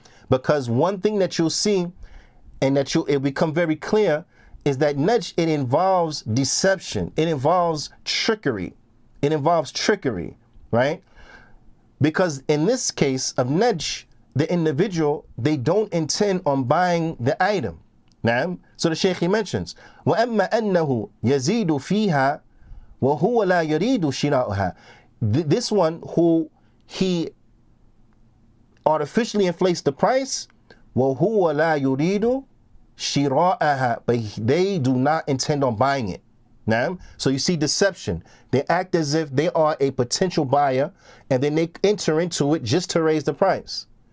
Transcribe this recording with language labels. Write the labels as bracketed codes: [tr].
[en] Because one thing that you'll see and that you it become very clear is that niche, it involves deception. It involves trickery. It involves trickery, right? Because in this case of nedge, the individual, they don't intend on buying the item. [ar] Naam? [en] So the Shaykh, he mentions, [ar] وَأَمَّا أَنَّهُ يَزِيدُ فِيهَا وَهُوَ لَا يُرِيدُ شِرَاؤُهَا. [en] This one who he artificially inflates the price, [ar] وَهُوَ لَا يُرِيدُ شِرَاؤُهَا, [en] but they do not intend on buying it. Naam? So you see deception. They act as if they are a potential buyer, and then they enter into it just to raise the price.